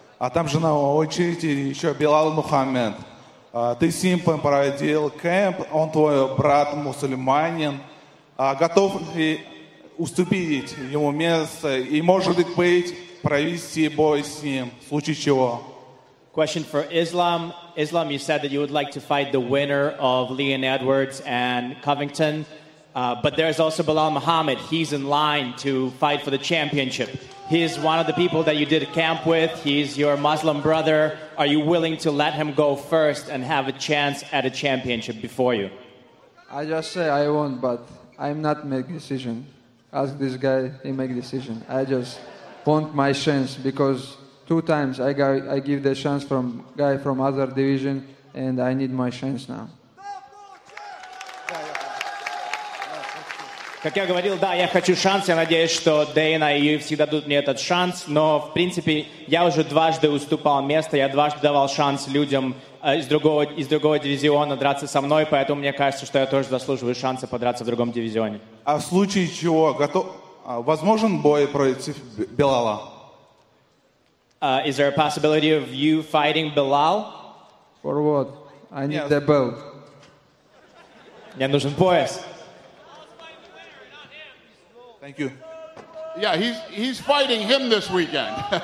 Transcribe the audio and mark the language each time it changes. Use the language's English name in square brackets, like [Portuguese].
[Russian] А там же на очереди еще Билал Мухаммед. Ты с ним проводил кемп, он твой брат мусульманин. Готов ли уступить ему место и, может быть, провести бой с ним, в случае чего? [English] Question for Islam. Islam, you said that you would like to fight the winner of Leon Edwards and Covington, but there's also Bilal Muhammad. He's in line to fight for the championship. He's one of the people that you did a camp with. He's your Muslim brother. Are you willing to let him go first and have a chance at a championship before you? I just say I won't, but I'm not make decision. Ask this guy, he make decision. I just want my chance because... Two times I give the chance from guy from other division, and I need my chance now. [Russian] Как я говорил, да, я хочу шанс. Я надеюсь, что Дейна и UFC дадут мне этот шанс. Но в принципе я уже дважды уступал место. Я дважды давал шанс людям из другого дивизиона драться со мной. Поэтому мне кажется, что я тоже заслуживаю шанса подраться в другом дивизионе. А в случае чего готов? Возможен бой против Билала? [English] Is there a possibility of you fighting Bilal? For what? I need the belt. [Russian] Мне нужен пояс. [English] Thank you. Yeah, he's fighting him this weekend.